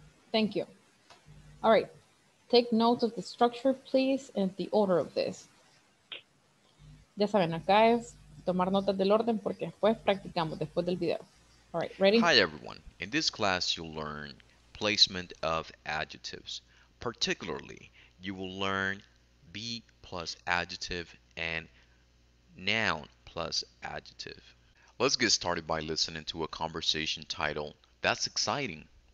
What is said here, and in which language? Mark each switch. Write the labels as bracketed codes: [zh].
[en] Thank you. All right. Take note of the structure, please, and the order of this. [es] Ya saben, acá es tomar notas del orden porque después practicamos después del video. [en] All right, ready? Hi, everyone. In this class, you'll learn placement of adjectives. Particularly, you will learn be plus adjective and noun plus adjective. Let's get started by listening to a conversation titled, That's Exciting.